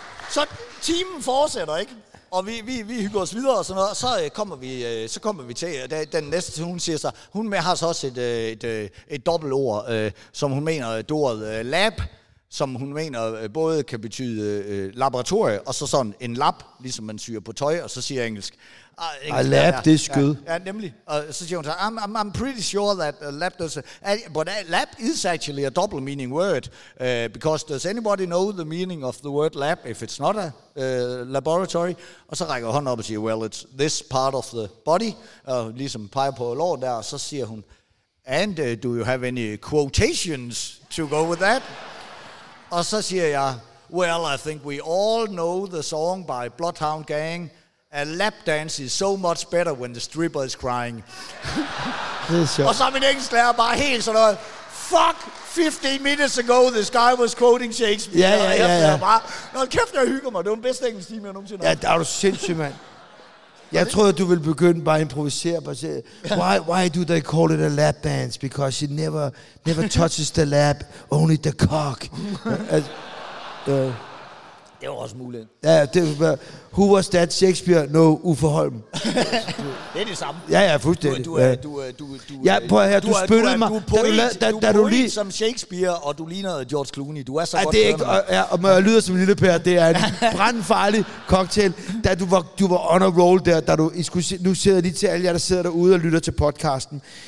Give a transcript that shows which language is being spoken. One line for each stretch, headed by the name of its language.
Danish: Så timen fortsætter, ikke? Og vi hygger os videre og sådan noget, og så kommer vi til, den næste, hun siger så, hun har så også et dobbeltord, som hun mener, det ordet lab, som hun mener både kan betyde laboratorie, og så sådan en lab, ligesom man syr på tøj, og så siger engelsk. Lab, det er skød. Ja, nemlig. Og så siger hun så,
English: I'm pretty sure that lab does, but lab is actually a double meaning word, because does anybody know the meaning of the word lab if it's not a laboratory?
Danish: Og så rækker hun op og siger,
English: well, it's this part of the body,
Danish: ligesom peger på lår der, og så siger hun,
English: and do you have any quotations to go with that?
Danish: Og så siger jeg,
English: well, I think we all know the song by Bloodhound Gang. A lap dance is so much better when the stripper is crying.
Danish: Det er sjovt. Og så min engelsklærer bare helt sådan noget,
English: fuck, 15 minutes ago, this guy was quoting Shakespeare.
Danish: Ja. Nå, kæft, jeg hygger mig. Det var den bedste engelsk time, jeg nogensinde har. Ja, der er du sindssygt, mand. Jeg troede, du ville begynde bare at improvisere.
English: Why do they call it a lap dance? Because she never touches the lap, only the cock.
Danish: Det var også muligt.
English: Ja, who was that Shakespeare? No, Uffe Holm.
Danish: Det er det samme. Ja, fuldstændig. Du ja, prøv at høre, du spyttede mig. Du er poet som Shakespeare, og du ligner George Clooney. Du er så ja, godt det er ikke, og jeg lyder som Lille Per, det er en brandfarlig cocktail. Da du var
English: on a roll
Danish: der, da du, I skulle se, nu sidder lige til alle jer, der sidder derude og lytter til podcasten.